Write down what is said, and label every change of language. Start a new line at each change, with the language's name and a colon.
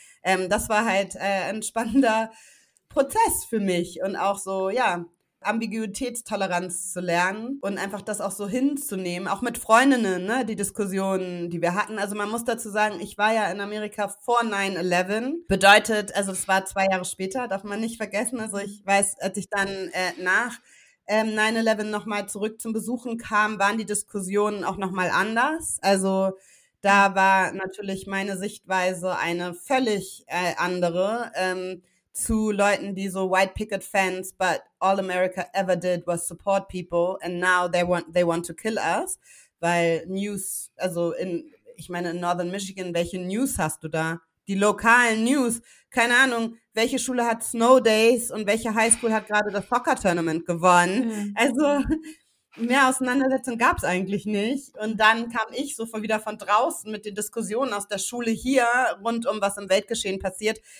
German: Das war halt ein spannender Prozess für mich und auch so, ja, Ambiguitätstoleranz zu lernen und einfach das auch so hinzunehmen, auch mit Freundinnen, ne, die Diskussionen, die wir hatten. Also man muss dazu sagen, ich war ja in Amerika vor 9/11, bedeutet, also es war 2 Jahre später, darf man nicht vergessen. Also ich weiß, als ich dann nach 9/11 nochmal zurück zum Besuchen kam, waren die Diskussionen auch nochmal anders. Also da war natürlich meine Sichtweise eine völlig andere, zu Leuten, die so
English: white picket fence, but all America ever did was support people and now they want to kill us.
German: Weil News, also in Northern Michigan, welche News hast du da? Die lokalen News, keine Ahnung, welche Schule hat Snow Days und welche Highschool hat gerade das Soccer Tournament gewonnen? Mhm. Also mehr Auseinandersetzung gab es eigentlich nicht. Und dann kam ich so wieder von draußen mit den Diskussionen aus der Schule hier rund um, was im Weltgeschehen passiert.